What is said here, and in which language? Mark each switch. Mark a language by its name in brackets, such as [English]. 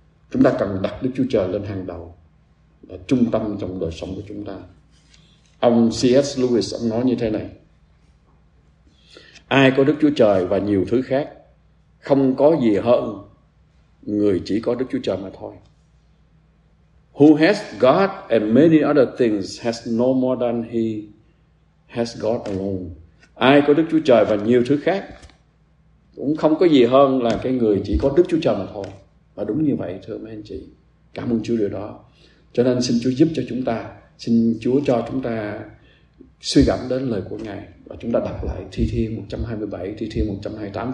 [Vietnamese] Chúng ta cần đặt Đức Chúa Trời lên hàng đầu và trung tâm trong đời sống của chúng ta. Ông C.S. Lewis, ông nói như thế này: ai có Đức Chúa Trời và nhiều thứ khác, không có gì hơn người chỉ có Đức Chúa Trời mà thôi. [English] Who has God and many other things has no more than he has God alone. [Vietnamese] Ai có Đức Chúa Trời và nhiều thứ khác cũng không có gì hơn là cái người chỉ có Đức Chúa Trời mà thôi. Và đúng như vậy, thưa mấy anh chị. Cảm ơn Chúa điều đó. Cho nên xin Chúa giúp cho chúng ta, xin Chúa cho chúng ta suy gẫm đến lời của Ngài, và chúng ta đọc lại Thi Thiên 127, Thi Thiên 128.